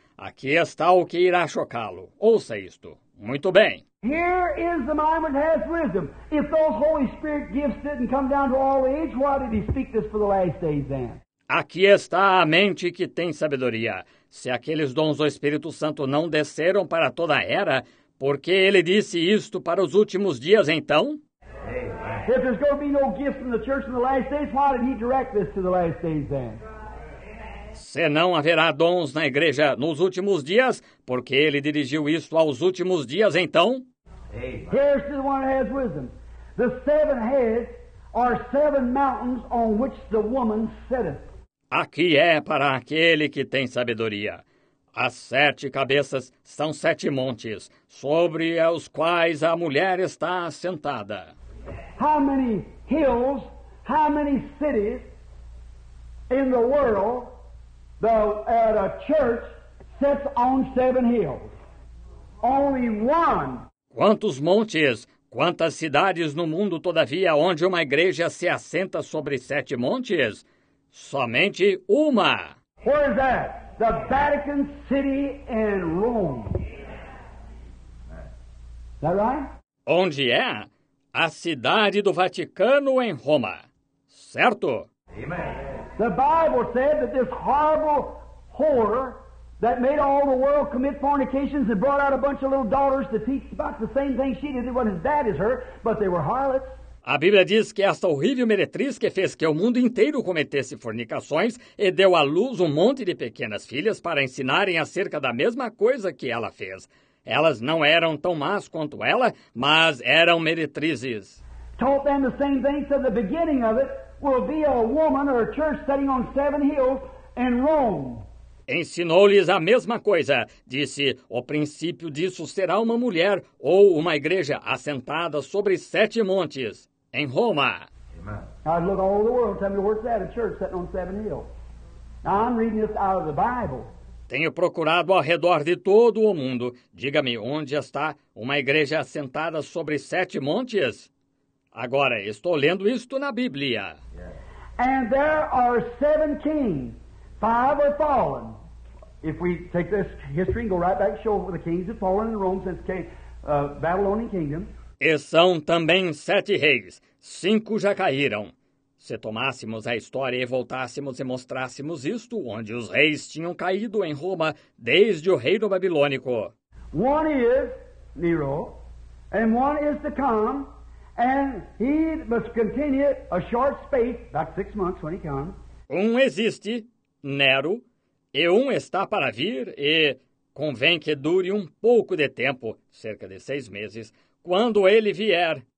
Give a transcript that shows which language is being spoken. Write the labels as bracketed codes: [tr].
[pt] Aqui está o que irá chocá-lo. Ouça isto. Muito bem. [en] Here is the mind that has wisdom. If those Holy Spirit gifts didn't come down to all age, why did he speak this for the last days then? [pt] Aqui está a mente que tem sabedoria. Se aqueles dons do Espírito Santo não desceram para toda a era, por que ele disse isto para os últimos dias, então? [en] If there's going to be no gift from the church in the last days, why did he direct this to the last days then? [pt] Se não haverá dons na igreja nos últimos dias, por que ele dirigiu isto aos últimos dias, então? [en] Here's to the one that has wisdom. The seven heads are seven mountains on which the woman sitteth. [pt] Aqui é para aquele que tem sabedoria. As sete cabeças são sete montes, sobre os quais a mulher está assentada. [en] How many hills, how many cities in the world that a church sits on seven hills? Only one. [pt] Quantos montes, quantas cidades no mundo, todavia, onde uma igreja se assenta sobre sete montes? Somente uma. [en] Where is that? The Vatican City in Rome. Is that right? [pt] Onde é? A cidade do Vaticano em Roma. Certo? [en] Amen. The Bible said that this horrible whore that made all the world commit fornications and brought out a bunch of little daughters to teach about the same thing she did. It wasn't as bad as her, but they were harlots. [pt] A Bíblia diz que esta horrível meretriz que fez que o mundo inteiro cometesse fornicações e deu à luz um monte de pequenas filhas para ensinarem acerca da mesma coisa que ela fez. Elas não eram tão más quanto ela, mas eram meretrizes. [en] Taught them the same thing, so the beginning of it will be a woman or a church sitting on seven hills in Rome. [pt] Ensinou-lhes a mesma coisa. Disse, o princípio disso será uma mulher ou uma igreja assentada sobre sete montes, em Roma. [en] I look all the world and tell me where's that, a church sitting on seven hills. Now I'm reading this out of the Bible. [pt] Tenho procurado ao redor de todo o mundo. Diga-me, onde está uma igreja assentada sobre sete montes? Agora, estou lendo isto na Bíblia. [en] And there are seven kings. Five are fallen. If we take this history and go right back, show the kings have fallen in Rome since the Babylonian kingdom. [pt] E são também sete reis. Cinco já caíram. Se tomássemos a história e voltássemos e mostrássemos isto, onde os reis tinham caído em Roma desde o reino babilônico. [en] One is Nero, and one is to come, and he must continue a short space, about 6 months when he comes. [pt] Um existe, Nero, e um está para vir, e convém que dure um pouco de tempo, cerca de 6 meses, quando ele vier.